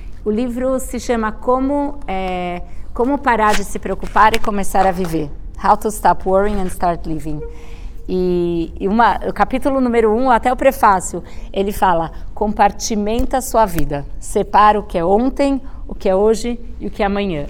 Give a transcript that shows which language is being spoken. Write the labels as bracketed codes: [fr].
[pt] O livro se chama Como Parar de Se Preocupar e Começar a Viver. [en] How to Stop Worrying and Start Living. [pt] O capítulo número 1, até o prefácio, ele fala: compartimenta a sua vida. Separa o que é ontem, o que é hoje e o que é amanhã.